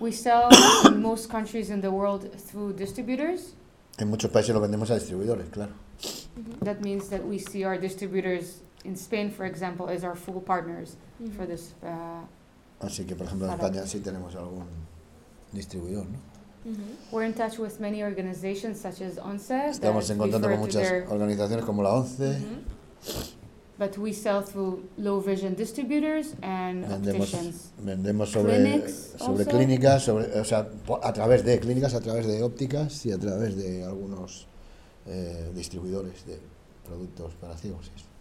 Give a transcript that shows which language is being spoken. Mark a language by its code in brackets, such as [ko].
[en] We sell in most countries in the world through distributors. [es] En muchos países lo vendemos a distribuidores, claro. Mm-hmm. [en] That means that we see our distributors in Spain, for example, as our full partners. Mm-hmm. For this, [es] así que, por ejemplo, [en] product. [es] En España sí tenemos algún distribuidor, ¿no? Mm-hmm. [en] We're in touch with many organizations such as ONCE. [es] Estamos en contacto con muchas organizaciones como la ONCE. Mm-hmm. [en] But we sell through low vision distributors and [es] vendemos, [en] opticians. [es] Vendemos sobre clínicas, sobre, o sea, a través de clínicas, a través de ópticas y a través de algunos distribuidores de productos para ciegos.